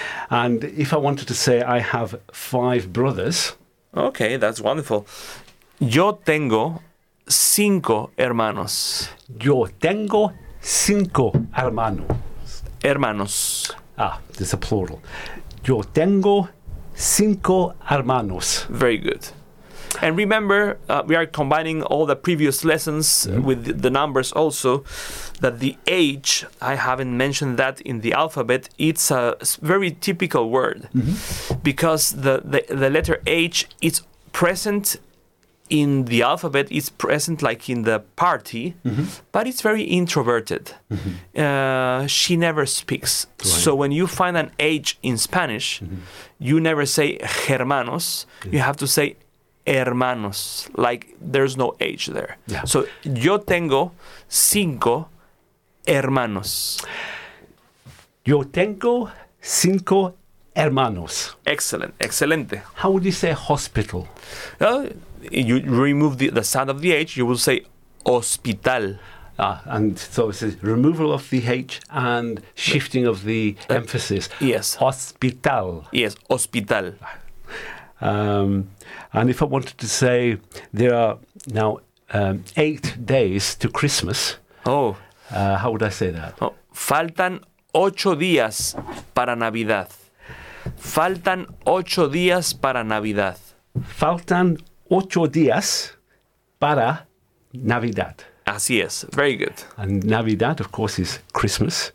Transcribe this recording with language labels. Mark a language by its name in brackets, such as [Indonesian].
[English] And if I wanted to say I have five brothers. Okay, that's wonderful. [Spanish] Yo tengo cinco hermanos. Yo tengo cinco hermanos. Hermanos. [English] Ah, there's a plural. [Spanish] Yo tengo cinco hermanos. [English] Very good. And remember, we are combining all the previous lessons with the numbers also, that the H, I haven't mentioned that in the alphabet, it's a very typical word. Mm-hmm. Because the letter H is present in the alphabet, it's present like in the party, mm-hmm. but it's very introverted. Mm-hmm. She never speaks. Right. So when you find an H in Spanish, mm-hmm. you never say hermanos, you have to say hermanos, like there's no H there. [Spanish] Yeah. So, yo tengo cinco hermanos. Yo tengo cinco hermanos. [English] Excellent, excelente. How would you say hospital? You remove the sound of the H, you will say hospital. And so it says removal of the H and shifting of the emphasis. Yes. Hospital. Yes, hospital. And if I wanted to say there are now 8 days to Christmas, how would I say that? Oh, [Spanish] faltan 8 días para Navidad. Faltan 8 días para Navidad. Faltan 8 días para Navidad. Así es. [English] Very good. And Navidad, of course, is Christmas.